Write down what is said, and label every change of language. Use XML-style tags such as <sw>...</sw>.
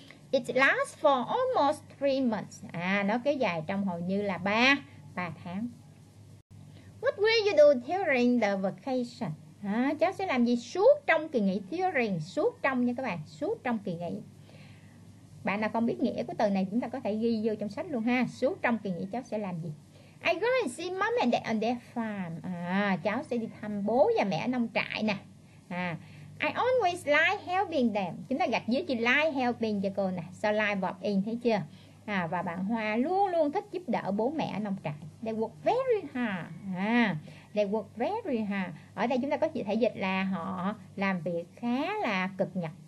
<en>It lasts for almost 3 months.</en> <vi>À, nó kéo dài trong hầu như là 3 tháng.</vi> <en>What will you do during the vacation?</en> <vi>À, cháu sẽ làm gì suốt trong kỳ nghỉ? During, suốt trong nha các bạn, suốt trong kỳ nghỉ. Bạn nào không biết nghĩa của từ này chúng ta có thể ghi vô trong sách luôn ha. Suốt trong kỳ nghỉ cháu sẽ làm gì?</vi> <en>I go and see mom and dad on their farm.</en> <vi>À, cháu sẽ đi thăm bố và mẹ ở nông trại nè. À,</vi> <en>I always like helping them.</en> <vi>Chúng ta gạch dưới chữ</vi> <en>like helping</en> <vi>cho cô nè. So like verb in, thấy chưa? À, và bạn Hoa luôn luôn thích giúp đỡ bố mẹ ở nông trại.</vi> <en>They work very hard.</en> <vi>À,</vi> <en>they work very hard.</en> <vi>Ở đây chúng ta có thể dịch là họ làm việc khá là cực nhọc.</vi>